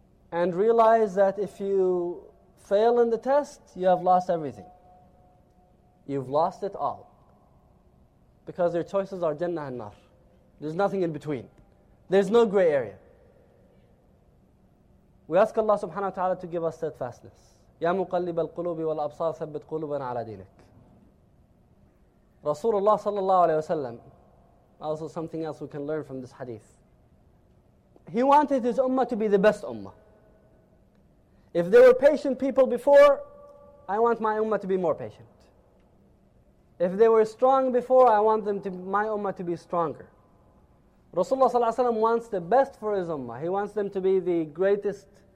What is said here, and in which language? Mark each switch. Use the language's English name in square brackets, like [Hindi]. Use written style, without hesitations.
[English] And realize that if you fail in the test, you have lost everything. You've lost it all. Because your choices are Jannah and Nar. There's nothing in between. There's no gray area. We ask Allah subhanahu wa ta'ala to give us steadfastness. [Arabic] يَا مُقَلِّبَ الْقُلُوبِ وَالْأَبْصَارِ ثَبِّتْ قُلُوبًا عَلَى دِينَكَ رسول الله صلى الله عليه وسلم, [English] also something else we can learn from this hadith. He wanted his ummah to be the best ummah. If they were patient people before, I want my ummah to be more patient. If they were strong before, I want my ummah to be stronger. Rasulullah صلى الله عليه وسلم wants the best for his ummah. He wants them to be the greatest.